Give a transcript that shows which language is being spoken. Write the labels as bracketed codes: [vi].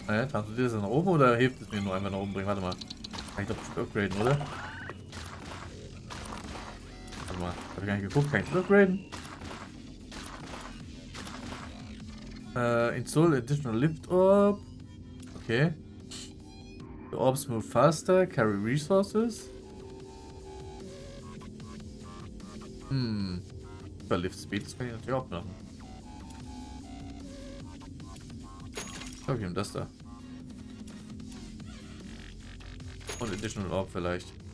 [de] Transportiert es nach oben oder hilft es mir nur einfach nach oben bringen? Warte mal. Kann ich doch upgraden, oder? Warte mal, hab ich gar nicht geguckt, kann ich upgraden? [en] Install additional lift orb. Okay. The orbs move faster, carry resources. [de] Über lift speed, das kann ich natürlich auch machen. Ich glaube, ich nehme das da. Und additional orb vielleicht.